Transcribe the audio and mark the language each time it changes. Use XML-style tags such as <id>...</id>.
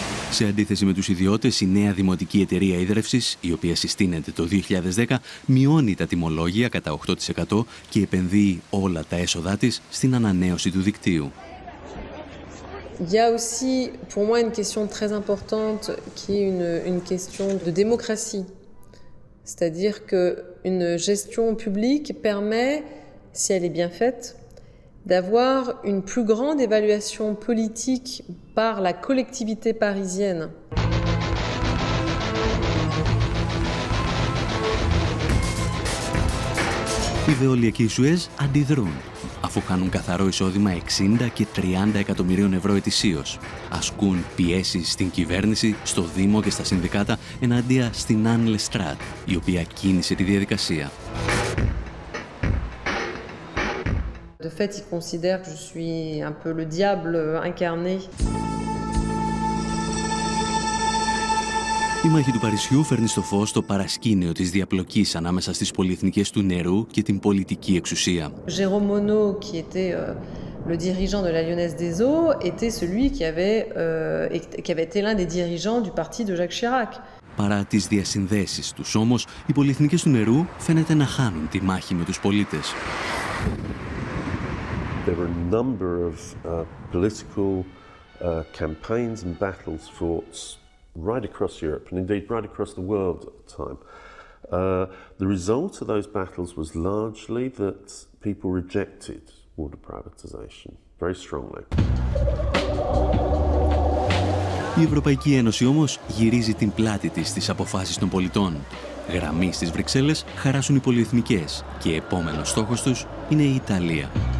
<el>Σε αντίθεση με τους ιδιώτες, η νέα δημοτική εταιρεία ίδρευσης, η οποία συστήνεται το 2010, μειώνει τα τιμολόγια κατά 8% και επενδύει όλα τα έσοδά της στην ανανέωση του δικτύου.</el> <fr>Il y a aussi pour moi une question très importante qui est une question de démocratie. C'est-à-dire que une gestion publique permet, si elle est bien faite, d'avoir une plus grande évaluation politique par la collectivité parisienne. Mmh.</fr> <el>Επιβεολιακοί Σουέζ αντιδρούν, αφού χάνουν καθαρό εισόδημα 60 και 30 εκατομμυρίων ευρώ ετησίως. Ασκούν πιέσεις στην κυβέρνηση, στο Δήμο και στα συνδικάτα εναντία στην Αν Λεστράτ, η οποία κίνησε τη διαδικασία.</el> <fr>De fait, ils considèrent que je suis un peu le diable incarné.</fr> <el>Η μάχη του Παρισιού φέρνει στο φως το παρασκήνιο της διαπλοκής ανάμεσα στις πολυεθνικές του νερού και την πολιτική εξουσία.</el> <fr>Jérôme Monod, qui était le dirigeant de la Lyonnaise des Eaux, était celui qui avait été l'un des dirigeants du parti de Jacques Chirac.</fr> <el>Παρά τις διασυνδέσεις τους όμως, οι πολυεθνικές του νερού φαίνεται να χάνουν τη μάχη με τους πολίτες.</el> <en>There were a number of political campaigns and battles fought right across Europe and indeed right across the world at the time. The result of those battles was largely that people rejected water privatization very strongly.</en> <el>Η Ευρωπαϊκή Ένωση όμως γυρίζει την πλάτη της στις αποφάσεις των πολιτών. Γραμμή στις Βρυξέλλες χαράσουν οι πολυεθνικές και επόμενος στόχος τους είναι η Ιταλία.</el>